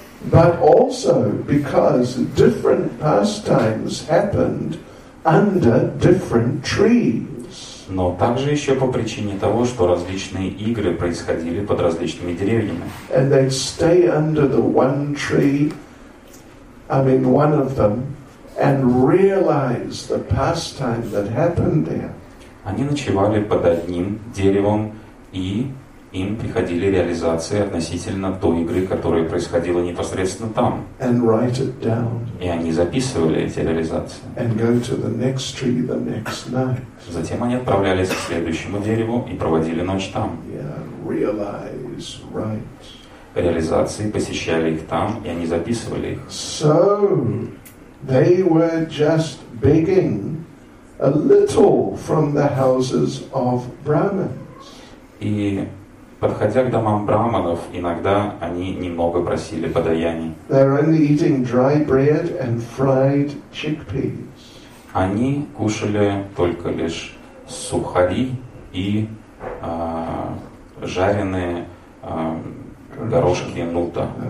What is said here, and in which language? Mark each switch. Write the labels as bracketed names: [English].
[English] But also because different pastimes happened under different trees. [Russian] Но также еще по причине того, что различные игры происходили под различными деревьями. [English] And they'd stay under the one tree, one of them, and realize the pastime that happened there. [Russian] Они ночевали под одним деревом и им приходили реализации относительно той игры, которая происходила непосредственно там. [English] And write it down. [Russian] И они записывали эти реализации. [English] And go to the next tree the next night. [Russian] Затем они отправлялись к следующему дереву и проводили ночь там. [English] Yeah, realize, right. [Russian] Реализации посещали их там, и они записывали их. [English] So they were just begging a little from the houses of Brahmins. [Russian] И подходя к домам брахманов, иногда они немного просили подаяний. [English] They were only eating dry bread and fried chickpeas. [Russian] Они кушали только лишь сухари и жареные горошки нута.